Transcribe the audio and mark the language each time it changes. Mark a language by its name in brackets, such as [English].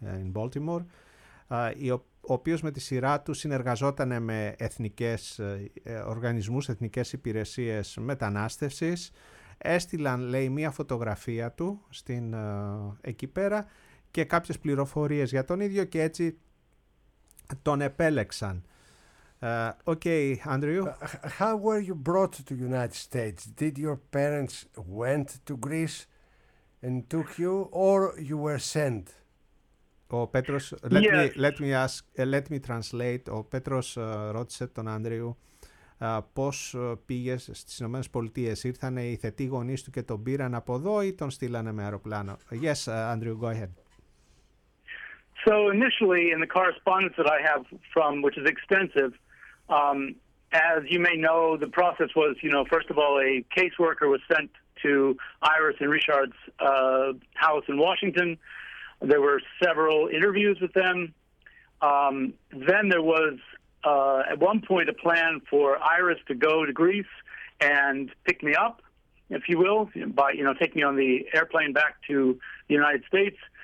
[Greek] In Baltimore, ο οποίος με τη σειρά του συνεργαζόταν με εθνικές οργανισμούς, εθνικές υπηρεσίες μετανάστευσης. Έστειλαν, λέει, μία φωτογραφία του στην εκεί πέρα και κάποιες πληροφορίες για τον ίδιο και έτσι τον επέλεξαν. [English] Okay, Andrew. How were you brought to the United States? Did your parents went to Greece and took you, or you were sent? Ο Πέτρος, let me translate. [Greek] Ο Πέτρος ρώτησε τον Άνδριου πώς πήγες στις Ηνωμένες Πολιτείες. Ήρθανε οι θετοί γονείς του και τον πήραν από εδώ ή τον στείλανε με αεροπλάνο? [English] Yes, Andrew, go ahead. So initially in the correspondence that I have from, which is extensive, as you may know, the process was, you know, first of all, a caseworker was sent to Iris and Richard's house in Washington. There were several interviews with them. Then there was, at one point, a plan for Iris to go to Greece and pick me up, if you will, by, you know, take me on the airplane back to the United States.